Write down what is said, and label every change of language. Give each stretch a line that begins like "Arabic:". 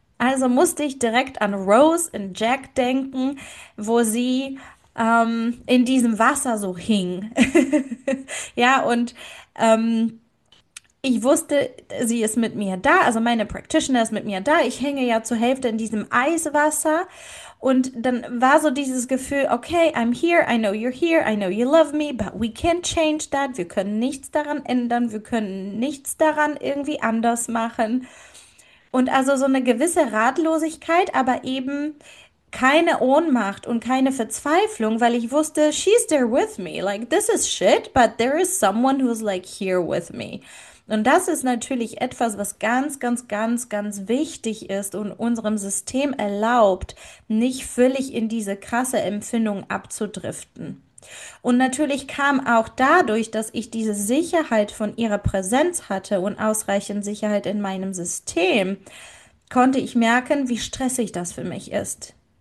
German: Also musste ich direkt an Rose in Jack denken, wo sie in diesem Wasser so hing. Ja, und ich wusste, sie ist mit mir da, also meine Practitioner ist mit mir da. Ich hänge ja zur Hälfte in diesem Eiswasser. Und dann war so dieses Gefühl, okay,
English: I'm here, I know you're here, I know you love me, but we can't change that.
German: Wir können nichts daran ändern, wir können nichts daran irgendwie anders machen. Und also so eine gewisse Ratlosigkeit, aber eben keine Ohnmacht und keine Verzweiflung, weil ich wusste,
English: she's there with me. Like, this is shit, but there is someone who's like here with me.
German: Und das ist natürlich etwas, was ganz, ganz, ganz, ganz wichtig ist und unserem System erlaubt, nicht völlig in diese krasse Empfindung abzudriften. Und natürlich kam auch dadurch, dass ich diese Sicherheit von ihrer Präsenz hatte und ausreichend Sicherheit in meinem System, konnte ich merken, wie stressig das für mich ist.